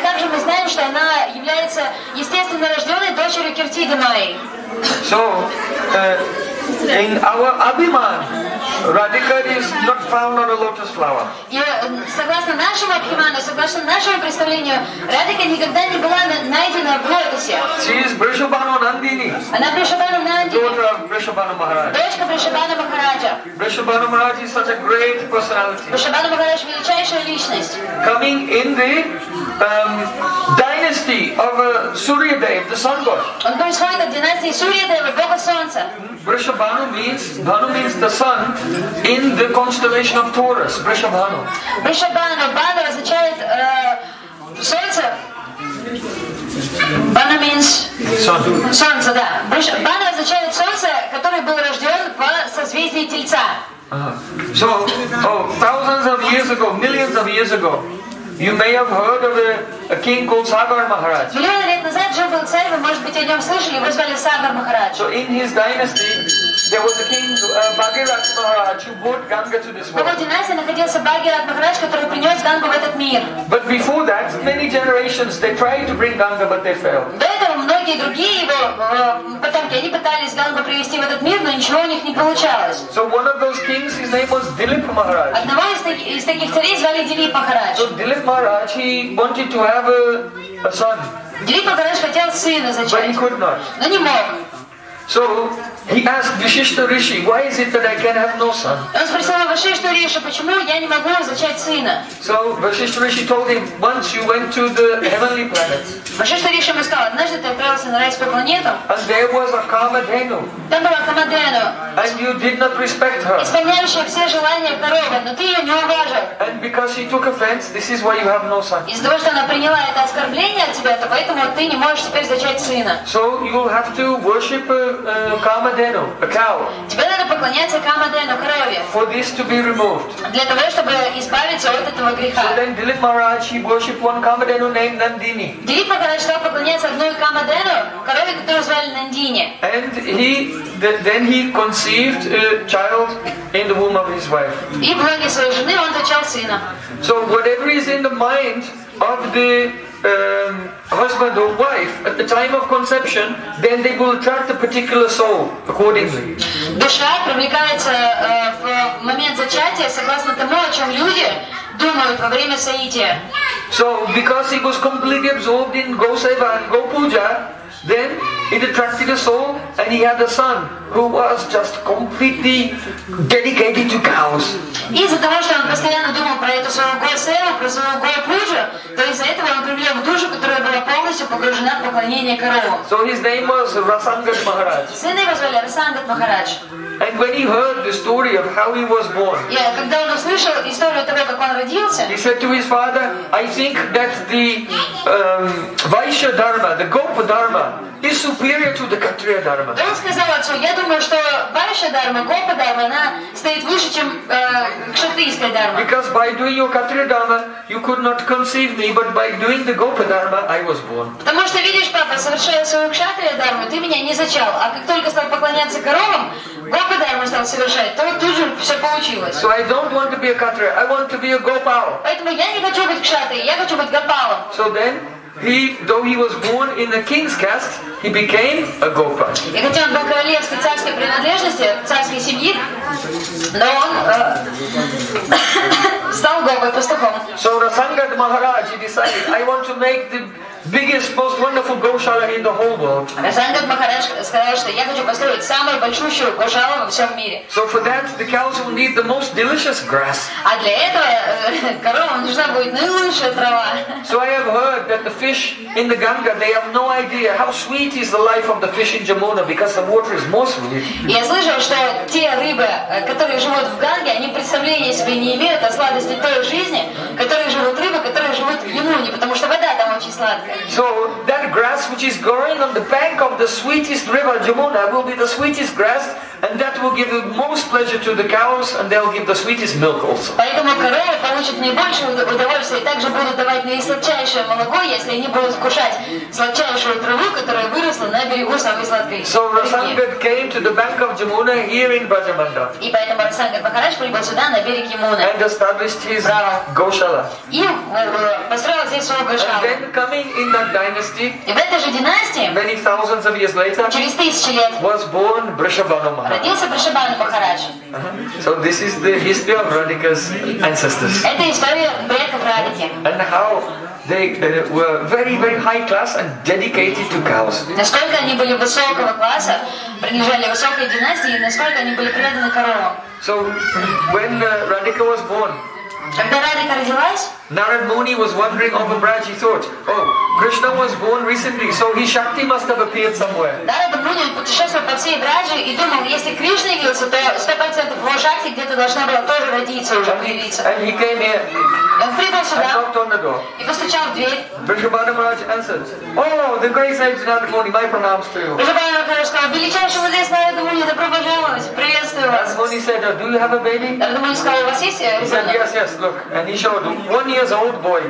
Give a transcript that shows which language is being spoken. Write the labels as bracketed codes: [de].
[ru] Но также мы знаем, что она является естественно рожденной дочерью Киртидамаи. [en] So, in our Abhiman, Radhika is not found on a lotus flower. [ru] Согласно нашему Абхиману, согласно нашему представлению, Радика никогда не была найдена в лотосе. [en] She is Vrishabhanu Nandini. [ru] Она Vrishabhanu Nandini. [en] Daughter of Vrishabhanu Maharaj. [ru] Дочка Vrishabhanu Maharaja. [en] Vrishabhanu Maharaj is such a great personality. [ru] Vrishabhanu Maharaj — величайшая личность. [en] Coming in the dynasty of Suryadev, the sun god. [ru] Он происходит от династии Суриадева, бога солнца. [en] Vrishabhanu means, Bhanu means the sun in the constellation of Taurus, Vrishabhanu. [ru] Vrishabhanu, Bhanu означает солнце. [en] Bhanu means [ru] солнце, да. Bhanu означает солнце, который был рожден в созвездии Тельца. [en] So, thousands of years ago, millions of years ago, you may have heard of a king called Sagar Maharaj. [ru] Миллионы лет назад жил был царь, вы, может быть, о нем слышали, его звали Сагар Махарадж. [en] So in his dynasty, there was a king, Bhagirath Maharaj, who brought Ganga to this world. [ru] В его династии находился Бхагират Махарадж, который принес Гангу в этот мир. [en] But before that, many generations, they tried to bring Ganga, but they failed. [ru] До этого многие другие его потомки, они пытались Гангу привести в этот мир, но ничего у них не получалось. [en] So one of those kings, his name was Dilip Maharaj. [ru] Одного из таких царей звали Дилип Махарадж. [en] So Dilip Maharaj, he wanted to have a son. [ru] Дилип Махарадж хотел сына зачать. [en] But he could not. [ru] Но не мог. [en] So he asked Vishishta Rishi, why is it that I can have no son? [ru] Он спросил Вашишту Риши, почему я не могу зачать сына? [en] So Vishishta Rishi told him, once you went to the heavenly planets. [ru] Вашишта Риши ему сказал, однажды ты отправился на райскую планету. [en] And there was a Камадхену. [ru] Там была Камадхену. [en] And you did not respect her. [ru] Исполняющая все желания коровы, но ты ее не уважил. [en] And because she took offense, this is why you have no son. [ru] Из-за того, что она приняла это оскорбление от тебя, то поэтому ты не можешь теперь зачать сына. [en] So you'll have to worship Камадену, a cow. [ru] Тебе надо поклоняться Камадену, корове. [en] For this to be removed. [ru] Для того, чтобы избавиться от этого греха. [en] So then Dilip Maharaj, he worshipped one Камадену named Nandini. [ru] Дилип Махарадж стал поклоняться одной Камадену, корове, которую звали Нандини. [en] And then he conceived a child in the womb of his wife. [ru] И в лоне своей жены он зачал сына. [en] So whatever is in the mind of the husband or wife at the time of conception, then they will attract a particular soul accordingly. [ru] Душа привлекается в момент зачатия согласно тому, о чем люди думают во время соития. [en] So because he was completely absorbed in Go-Seva and Go-Puja, then it attracted a soul and he had a son who was just completely dedicated to cows. [ru] Из-за того, что он постоянно думал про эту свою Го-Севу, про свою Го-Пуджу, то из-за этого он привлек душу, которая была полностью погружена в поклонение корову. [en] So his name was Rasangat Maharaj. [ru] Сын его звали Расангат Махарадж. [en] And when he heard the story of how he was born, [ru] yeah, когда он услышал историю того, как он родился, [en] he said to his father, I think that the Vaishya Dharma, the Gopa Dharma, is superior to the Kshatriya Dharma. [ru] Он сказал отцу, я думаю, что Vaishya Dharma, Gopa Dharma, она стоит выше, чем Кшатрийская Дharma. [en] Because by doing your Kshatriya Dharma, you could not conceive me, but by doing the Gopa Dharma, I was born. [ru] Потому что видишь, папа, совершая свою Кшатрия Дharma, ты меня не зачал, а как только стал поклоняться коровам, Гопа Дарма стал совершать, то тут же все получилось. [en] So I don't want to be a Kshatriya, I want to be a Gopal. [ru] Поэтому я не хочу быть Кшатрией, я хочу быть Гопалом. [en] So then, though he was born in the king's caste, he became a Gopa. [ru] И хотя он был королевской царской принадлежности, царской семьи, но он стал Гопой, пастухом. [en] So Rasangat Maharaj, he decided, I want to make the biggest, most wonderful Goshala in the whole world. [ru] Расангат Махарадж сказал, что я хочу построить самую большущую Гошалу во всем мире. [en] So for that, the cows will need the most delicious grass. [ru] А для этого коровам нужна будет наилучшая трава. [en] So I have heard that the fish in the Ganga, they have no idea how sweet is the life of the fish in Jamuna because the water is most sweet. [ru] Я слышал, что те рыбы, которые живут в Ганге, они представления себе не имеют о сладости той жизни, которые живут рыбы, которые живут в Ямуне, потому что вода там очень сладкая. [en] So that grass which is growing on the bank of the sweetest river Jamuna will be the sweetest grass, and that will give the most pleasure to the cows, and they will give the sweetest milk also. [ru] Поэтому коровы получат наибольшее удовольствие и также будут давать наисладчайшее молоко, если они будут кушать сладчайшую траву, которая выросла на берегу самой сладкой. [en] So Rasangat came to the bank of Jamuna here in Brajamandal. [ru] И поэтому Расангат Махарадж прибыл сюда на берег Ямуны. [en] And established his Goshala. [ru] И построил здесь свою Гошалу. [en] In that dynasty, [ru] и в этой же династии, [en] many thousands of years later, [ru] через тысячи лет, [en] was born Брашабану Махарадж. [ru] Родился Брашабану Махарадж. [en] So this is the history of Radhika's ancestors. [ru] Это история предков Радхики. [en] And how they were very, very high class and dedicated to cows. [ru] Насколько они были высокого класса, принадлежали высокой династии, и насколько они были преданы коровам. [en] So when Radhika was born. [ru] Когда Радика родилась, [en] Narad Muni was wandering over Braj. He thought, oh, Krishna was born recently, so his Shakti must have appeared somewhere. [ru] Narad Muni путешествовал по всей Бражи и думал, если Кришна явился, то 100% его Шакти где-то должна была тоже родиться, уже появиться. [en] And he came here. [ru] Он прибыл сюда. [en] And knocked on the door. [ru] И постучал в дверь. [en] Brihabana Maharaj answered, oh, the great sage Narad Muni, my pronouns to you. [ru] Brihabana Maharaj сказал, величайшего здесь Narad Muni, добро пожаловать, приветствую вас. [en] Narad Muni said, do you have a baby? [ru] Narad Muni сказал, у вас есть ребенок? [en] Yes, yes. Look, and he showed 1 year old boy.